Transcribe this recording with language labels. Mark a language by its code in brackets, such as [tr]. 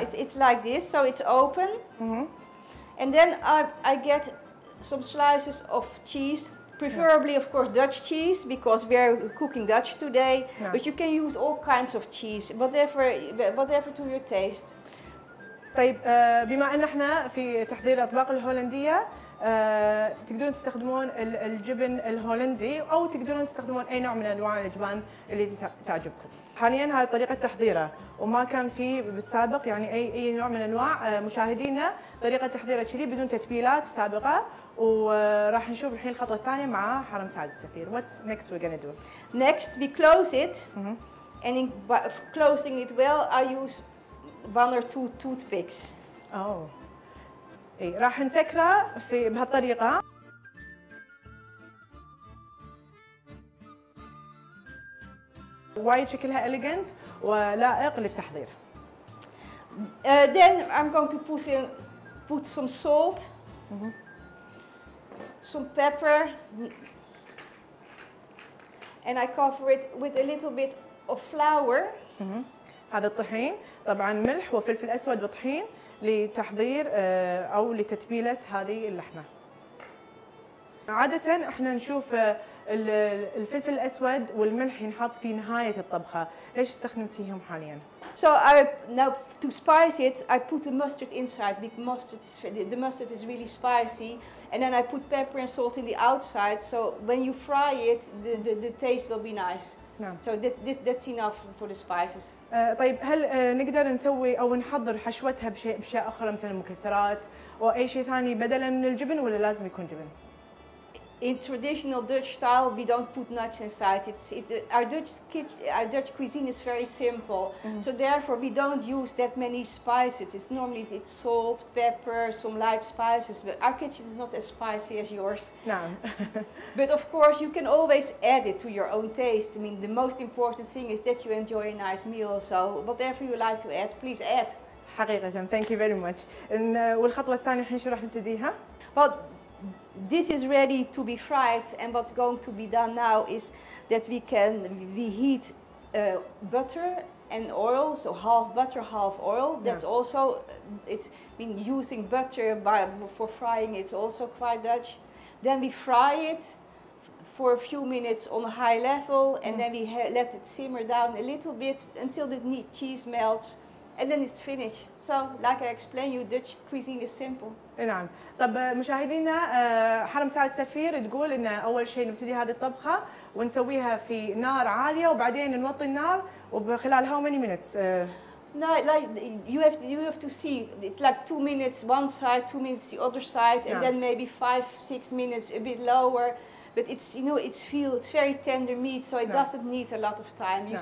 [en] It's like this, so it's open. And then I get some slices of cheese, preferably of course Dutch cheese because we're cooking Dutch today. But you can use all kinds of cheese, whatever to your taste. [ar] طيب بما ان احنا في تحضير الاطباق الهولندية تقدرون تستخدمون الجبن الهولندي او تقدرون تستخدمون اي نوع من انواع الجبن اللي تعجبكم. حاليا هذه طريقة تحضيره وما كان في بالسابق يعني اي نوع من انواع مشاهدينا طريقة تحضيره تشيلي بدون تتبيلات سابقة. وراح نشوف الحين الخطوة الثانية مع حرم سعد السفير. [en] What's next we're gonna do? Next we close it and in closing it well I use one or two toothpicks. [ar] اي راح نسكره في بهالطريقه. وايد شكلها elegant ولائق للتحضير. [en] Then I'm going to put some salt, some pepper, and I cover it with a little bit of flour. [ar] هذا الطحين طبعا ملح وفلفل اسود وطحين لتحضير او لتتبيله هذه اللحمه. عاده احنا نشوف الفلفل الاسود والملح ينحط في نهايه الطبخه، ليش استخدمتيهم حاليا؟ [en] So I now to spice it I put the mustard inside because the mustard is really spicy and then I put pepper and salt in the outside so when you fry it the taste will be nice. [ar] نعم. [en] So that's enough for the spices. [ar] طيب هل نقدر نسوي أو نحضر حشوتها بشيء أخرى مثل المكسرات أو أي شيء ثاني بدلاً من الجبن ولا لازم يكون جبن؟ [en] In traditional Dutch style, we don't put nuts inside. Our Dutch cuisine is very simple, so therefore we don't use that many spices. It's normally it's salt, pepper, some light spices. But our kitchen is not as spicy as yours. No. But of course, you can always add it to your own taste. I mean, the most important thing is that you enjoy a nice meal. So whatever you like to add, please add. [ar] حقيقة. [en] Thank you very much. [ar] And والخطوة الثانية الحين شو راح نبتديها؟ [en] Well. This is ready to be fried, and what's going to be done now is that we heat butter and oil, so half butter, half oil. That's also it's been using butter for frying. It's also quite Dutch. Then we fry it for a few minutes on a high level, and then we let it simmer down a little bit until the cheese melts. And then it's finished. So, like I explained, you Dutch cuisine is simple. [ar] نعم. طب مشاهدينا حرم سعد السفير تقول إن أول شيء نبتدي هذه الطبخة ونسويها في نار عالية وبعدين نوطي النار وبخلال [en] how many minutes? No, like you have to see. It's like 2 minutes one side, 2 minutes the other side, and then maybe 5-6 minutes a bit lower. But it's, you know, it's very tender meat, so it doesn't need a lot of time.